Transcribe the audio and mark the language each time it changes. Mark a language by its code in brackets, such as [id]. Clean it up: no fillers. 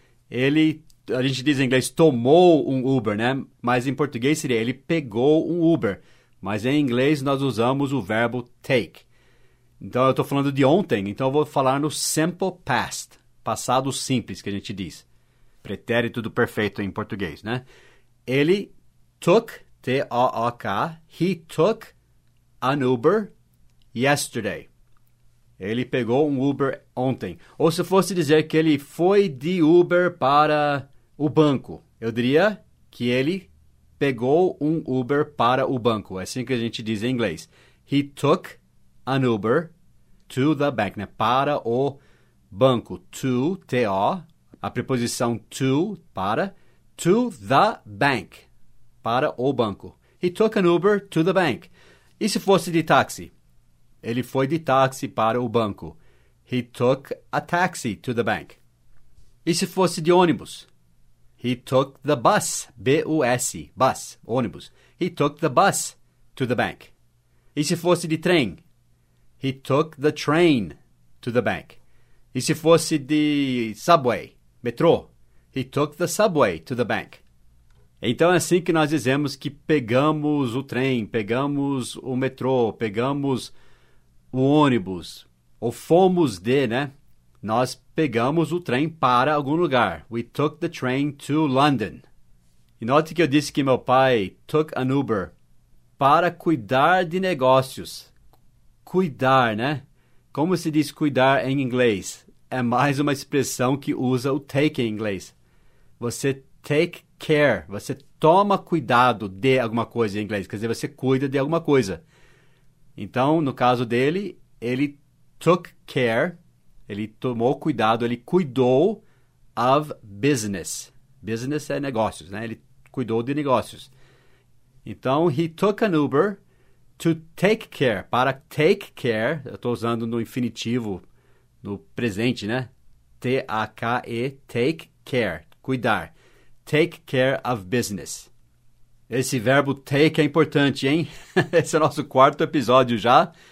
[pt] Ele, a gente diz em inglês, tomou um Uber, né? Mas em português seria, ele pegou um Uber. Mas em inglês nós usamos o verbo take. Então, eu estou falando de ontem, então eu vou falar no simple past, passado simples que a gente diz. Pretérito do perfeito em português, né? [en] Ele took, T-O-O-K, he took an Uber yesterday. [pt] Ele pegou um Uber ontem. Ou se fosse dizer que ele foi de Uber para o banco, eu diria que ele pegou um Uber para o banco. É assim que a gente diz em inglês. [en] He took an Uber to the bank, né? [pt] Para o banco. To, T-O, a preposição to, para, [en] to the bank, [pt] para o banco. [en] He took an Uber to the bank. [pt] E se fosse de táxi? Ele foi de táxi para o banco. [en] He took a taxi to the bank. [pt] E se fosse de ônibus? [en] He took the bus, B-U-S, bus, ônibus. He took the bus to the bank. [pt] E se fosse de trem? [en] He took the train to the bank. [pt] E se fosse de [en] subway, metrô? He took the subway to the bank. [pt] Então, é assim que nós dizemos que pegamos o trem, pegamos o metrô, pegamos o ônibus, ou fomos de, né? Nós pegamos o trem para algum lugar. [en] We took the train to London. [pt] E note que eu disse que meu pai [en] took an Uber [pt] para cuidar de negócios. Cuidar, né? Como se diz cuidar em inglês? É mais uma expressão que usa o take em inglês. Você take care. Você toma cuidado de alguma coisa em inglês. Quer dizer, você cuida de alguma coisa. Então, no caso dele, ele took care. Ele tomou cuidado, ele cuidou of business. Business é negócios, né? Ele cuidou de negócios. [en] Então, he took an Uber to take care. [pt] Para take care, eu estou usando no infinitivo, no presente, né? [en] T-A-K-E, take care, cuidar. Take care of business. [pt] Esse verbo take é importante, hein? Esse é o nosso quarto episódio já.